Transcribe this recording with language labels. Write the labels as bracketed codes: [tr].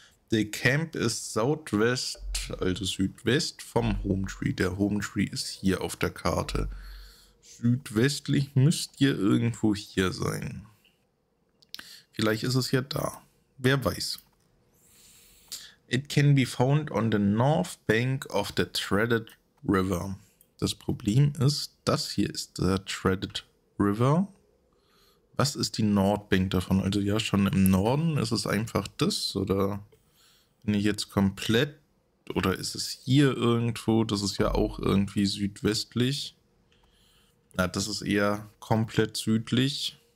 [en] The camp is southwest, [de] also südwest vom [en] Home Tree. [de] Der Home Tree ist hier auf der Karte. Südwestlich müsst ihr irgendwo hier sein. Vielleicht ist es ja da. Wer weiß. [en] It can be found on the north bank of the Treaded River. [de] Das Problem ist, das hier ist der Treaded River. Was ist die Nordbank davon? Also ja, schon im Norden. Ist es einfach das? Oder bin ich jetzt komplett? Oder ist es hier irgendwo? Das ist ja auch irgendwie südwestlich. Na, das ist eher komplett südlich.